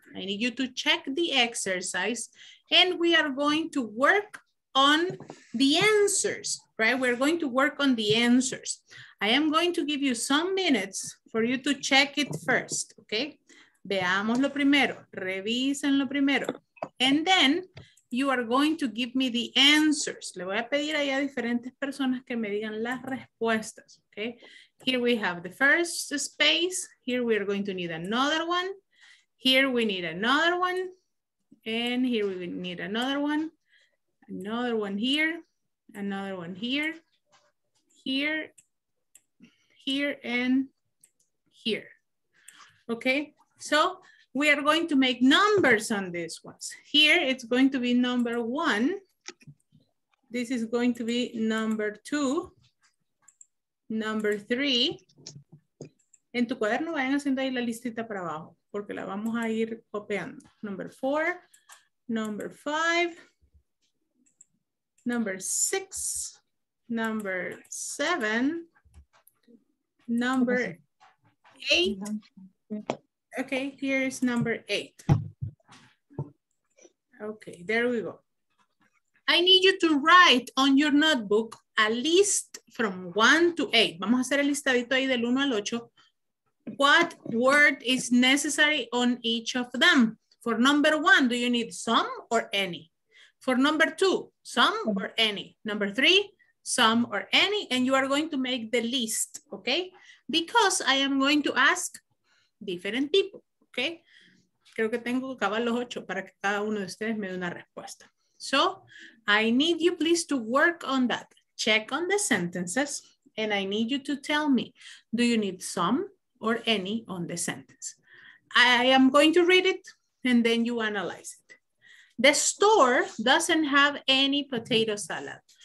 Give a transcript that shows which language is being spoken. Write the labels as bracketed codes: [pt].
[en] I need you to check the exercise. And we are going to work on the answers. Right, we're going to work on the answers. I am going to give you some minutes for you to check it first, okay? [es] Veamos lo primero, revisen lo primero. [en] And then you are going to give me the answers. [es] Le voy a pedir ahí a diferentes personas que me digan las respuestas, okay? [en] Here we have the first space. Here we are going to need another one. Here we need another one. And here we need another one. Another one here. Another one here, here, here, and here. Okay, so we are going to make numbers on these ones. Here it's going to be number one. This is going to be number two, number three. [es] En tu cuaderno vayan haciendo ahí la listita para abajo, porque la vamos a ir copiando. [en] Number four, number five. Number six, number 7, number 8. Okay, here is number 8. Okay, there we go. I need you to write on your notebook a list from 1 to 8. [es] Vamos a hacer el listadito ahí del 1 al 8. [en] What word is necessary on each of them? For number 1, do you need some or any? For number 2, some or any? Number 3, some or any? And you are going to make the list, okay? Because I am going to ask different people, okay? [es] Creo que tengo que acabar los 8 para que cada uno de ustedes me dé una respuesta. [en] So, I need you please to work on that. Check on the sentences and I need you to tell me, do you need some or any on the sentence? I am going to read it and then you analyze it. The store doesn't have any potato salad.